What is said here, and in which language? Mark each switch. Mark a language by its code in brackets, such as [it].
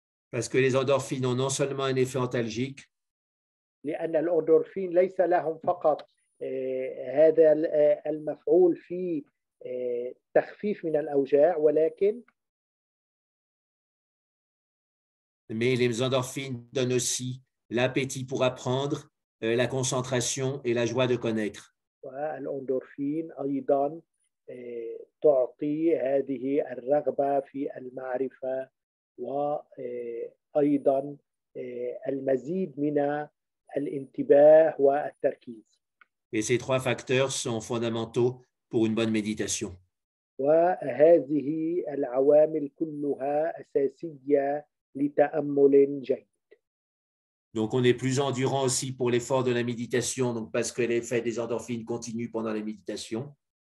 [fr] Parce que les endorphines ont non seulement un effet antalgique. [ar] لأن الأندورفين ليس لهم فقط هذا المفعول في تخفيف من الأوجاع ولكن. [fr] Mais les endorphines donnent aussi l'appétit pour apprendre, la concentration et la joie de connaître. [ar] والأندورفين أيضا تعطي هذه الرغبة في المعرفة وأيضا المزيد من الانتباه والتركيز. [fr] Et ces trois facteurs sont fondamentaux pour une bonne méditation. [ar] وهذه العوامل كلها أساسية لتأمل جيد. [fr] Donc on est plus endurant aussi pour l'effort de la méditation, donc parce que l'effet des endorphines continue pendant la méditation.